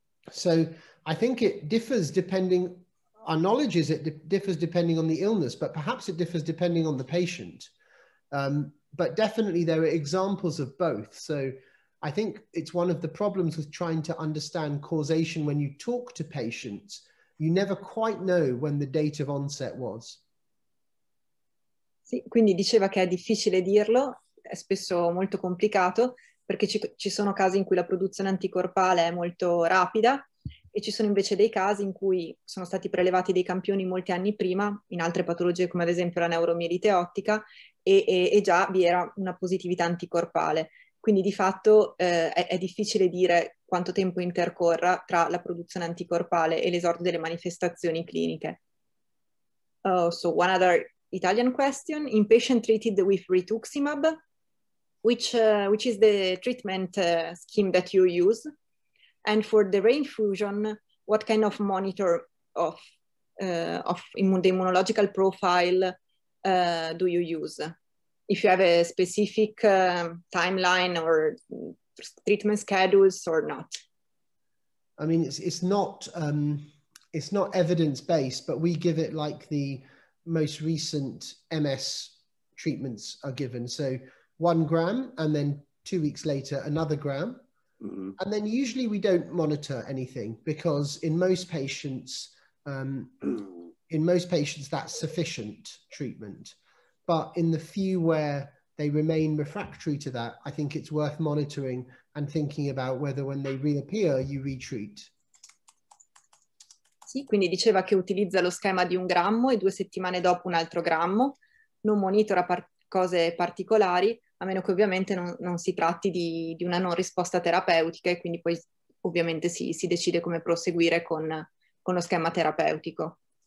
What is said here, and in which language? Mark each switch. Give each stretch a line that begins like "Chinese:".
English: So I think it differs depending, our knowledge is it differs depending on the illness, but perhaps it differs depending on the patient. But definitely there are examples of both. So I think it's one of the problems with trying to understand causation when you talk to patients, you never quite know when the date of onset was.
Italian: Sì, quindi diceva che è difficile dirlo. è spesso molto complicato, perché ci sono casi in cui la produzione anticorpale è molto rapida e ci sono invece dei casi in cui sono stati prelevati dei campioni molti anni prima, in altre patologie come ad esempio la neuromielite ottica, e già vi era una positività anticorpale. Quindi di fatto è difficile dire quanto tempo intercorra tra la produzione anticorpale e l'esordio delle manifestazioni cliniche.
English: So one other Italian question. In patient treated with rituximab, which is the treatment scheme that you use? And for the reinfusion, what kind of monitor of immunological profile do you use? If you have a specific timeline or treatment schedules or not? I mean, it's not evidence-based, but we give it like the most recent MS treatments are given. So 1 gram, and then 2 weeks later, another gram. Mm-hmm. And then usually we don't monitor anything, because in most patients, that's sufficient treatment. But in the few where they remain refractory to that, I think it's worth monitoring and thinking about whether when they reappear, you retreat.
Italian: Sì, quindi diceva che utilizza lo schema di 1 grammo e 2 settimane dopo un altro grammo, non monitora cose particolari, a meno che ovviamente non si tratti di una non risposta terapeutica, e quindi poi ovviamente si decide come proseguire con lo schema terapeutico.